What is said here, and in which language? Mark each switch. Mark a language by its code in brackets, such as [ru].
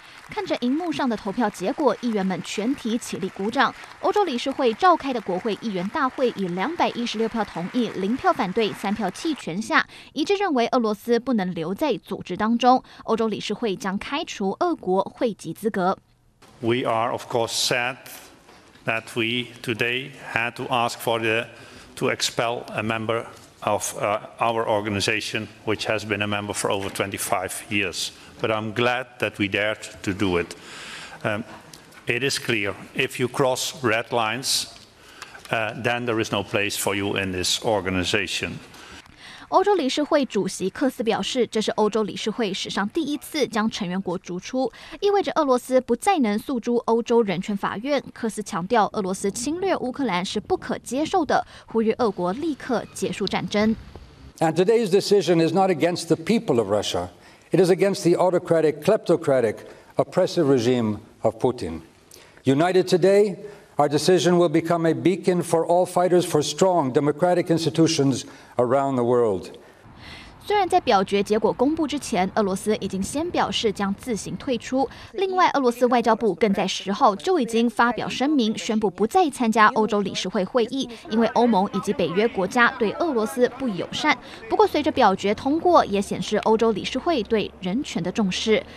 [zh] 看着荧幕上的投票结果，议员们全体起立鼓掌。欧洲理事会召开的国会议员大会以216票同意、0票反对、3票弃权下，一致认为俄罗斯不能留在组织当中。欧洲理事会将开除俄国会籍资格。 [en] We are of course sad that we today had to ask for the to expel a member of our organization, which has been a member for over 25 years. But I'm glad that we dared to do it. It is clear, if you cross red lines, then there is no place for you in this organization. [zh] 欧洲理事会主席克斯表示，这是欧洲理事会史上第一次将成员国逐出，意味着俄罗斯不再能诉诸欧洲人权法院。克斯强调，俄罗斯侵略乌克兰是不可接受的，呼吁俄国立刻结束战争。 [en] And today's decision is not against the people of Russia. It is against the autocratic, kleptocratic, oppressive regime of Putin. United today, our decision will become a beacon for all fighters for strong democratic institutions around the world. [zh] 虽然在表决结果公布之前，俄罗斯已经先表示将自行退出。另外，俄罗斯外交部更在10号就已经发表声明，宣布不再参加欧洲理事会会议，因为欧盟以及北约国家对俄罗斯不友善。不过，随着表决通过，也显示欧洲理事会对人权的重视。